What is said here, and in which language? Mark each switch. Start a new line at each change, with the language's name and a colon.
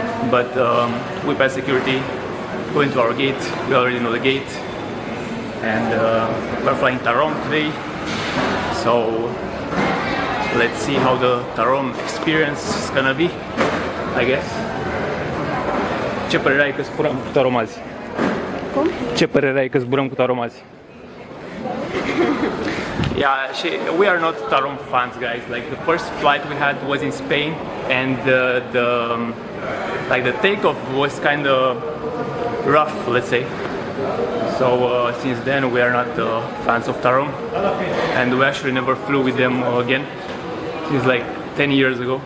English: But we passed security, went to our gate, we already know the gate, and we're flying Tarom today, so let's see how the Tarom experience is gonna be, I guess.
Romanian: Ce părere ai că zburăm cu Tarom azi? Cum? Ce părere ai că zburăm cu Tarom azi?
English: Yeah, we are not Tarom fans, guys. Like the first flight we had was in Spain, and the takeoff was kind of rough, let's say. So since then we are not fans of Tarom, and we actually never flew with them again since like 10 years ago.